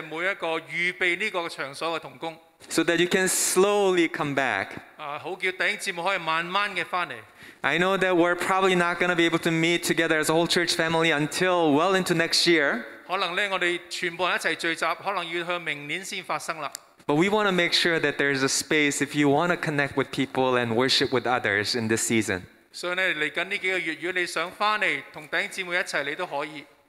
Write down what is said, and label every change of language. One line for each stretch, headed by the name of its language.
Chinese: 好想在这里多谢每一个预备这个场所的同工。
English: So that you can slowly come back.
Chinese: 好叫弟兄姊妹可以慢慢的回来。
English: I know that we're probably not going to be able to meet together as a whole church family until well into next year.
Chinese: 可能我们全部人一起聚集，可能要向明年才发生了。
English: But we want to make sure that there's a space if you want to connect with people and worship with others in this season.
Chinese: 所以呢，来紧这几个月，如果你想回来，同弟兄姊妹一起，你都可以。